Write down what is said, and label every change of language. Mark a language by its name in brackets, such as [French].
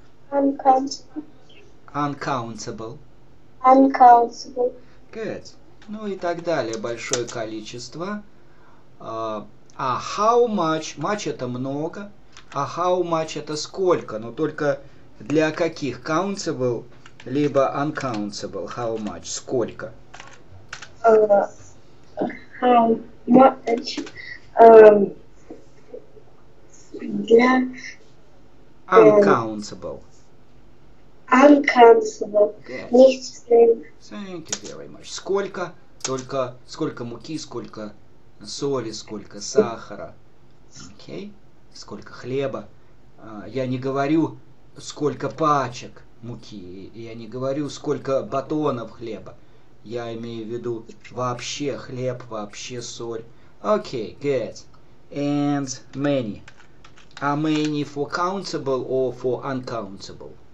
[English] Uncountable. Uncountable. Good. [Russian] Ну и так далее. Большое количество. [English] How much? [Russian] Much это много. [English] How much [Russian] это сколько? Но только для каких? [English] Countable либо uncountable. How much? [Russian] Сколько? [English] How much для Uncountable. uncountable Good. [Russian] нечисленных. [English] Thank you very much. [Russian] Сколько? Только сколько муки, сколько соли, сколько сахара. Окей? Сколько хлеба? Я не говорю, сколько пачек. муки. Я не говорю, сколько батонов хлеба. Я имею в виду вообще хлеб, вообще соль. Окей, [English] good. And many. А many for countable or for uncountable?